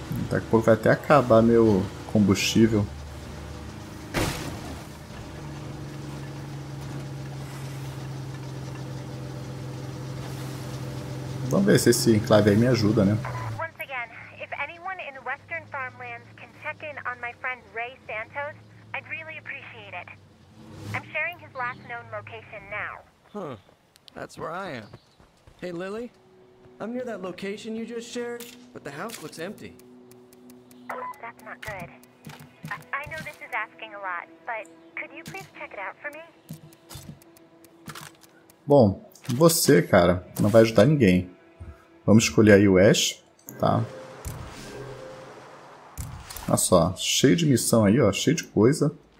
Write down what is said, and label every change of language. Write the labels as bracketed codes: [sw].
[pt] Daqui a pouco vai até acabar meu combustível. Vamos ver se esse enclave aí me ajuda, né? [en] Once again, if anyone in the Western Farmlands can check in on my friend Ray Santos, I'd really appreciate it. I'm sharing his last known location now. Huh. That's where I am. Hey Lily, I'm near that location you just shared, but the house looks empty. That's not good. I know this is asking a lot, but could you please check it out for me? [pt] Bom, você, cara, não vai ajudar ninguém. Vamos escolher aí o Ash, tá? Olha só, cheio de missão aí, ó, cheio de coisa.